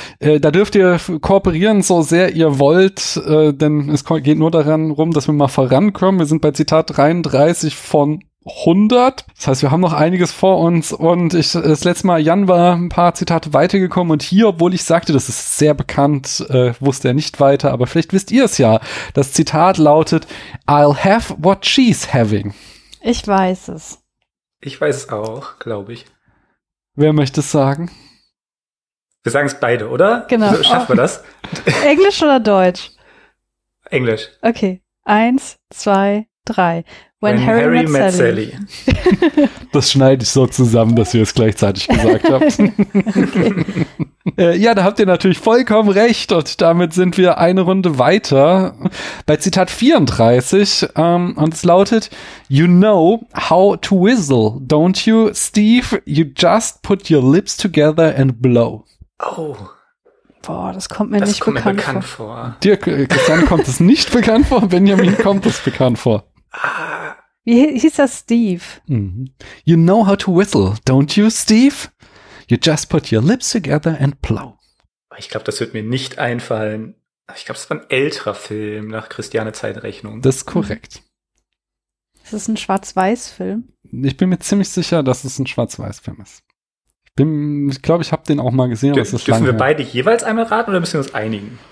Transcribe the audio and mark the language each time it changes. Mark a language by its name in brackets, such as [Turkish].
[German] Da dürft ihr kooperieren, so sehr ihr wollt, denn es geht nur darum, dass wir mal vorankommen. Wir sind bei Zitat 33 von 100. Das heißt, wir haben noch einiges vor uns. Und ich, das letzte Mal, Jan war ein paar Zitate weitergekommen. Und hier, obwohl ich sagte, das ist sehr bekannt, wusste er nicht weiter. Aber vielleicht wisst ihr es ja. Das Zitat lautet, [English] I'll have what she's having. [German] Ich weiß es. Ich weiß es auch, glaube ich. Wer möchte es sagen? Wir sagen es beide, oder? Genau. Schaffen wir das? Englisch oder Deutsch? Englisch. Okay. 1, 2, 3. [English] When Harry met Sally. [German] Das schneide ich so zusammen, dass ihr es gleichzeitig gesagt habt. Ja, da habt ihr natürlich vollkommen recht. Und damit sind wir eine Runde weiter bei Zitat 34. Und es lautet, [English] you know how to whistle, don't you, Steve? You just put your lips together and blow. Oh. [German] Boah, das kommt mir das kommt mir bekannt vor. Dirk, Christian kommt es nicht bekannt vor, Benjamin kommt es bekannt vor. Wie hieß das, Steve? Mm-hmm. [English] You know how to whistle, don't you, Steve? You just put your lips together and blow. [German] Ich glaube, das wird mir nicht einfallen. Ich glaube, es war ein älterer Film nach Christiane Zeitrechnung. Das ist korrekt. Ist es ein Schwarz-Weiß-Film? Ich bin mir ziemlich sicher, dass es ein Schwarz-Weiß-Film ist. Ich glaube, ich habe den auch mal gesehen. Dürfen wir beide jeweils einmal raten oder müssen wir uns einigen?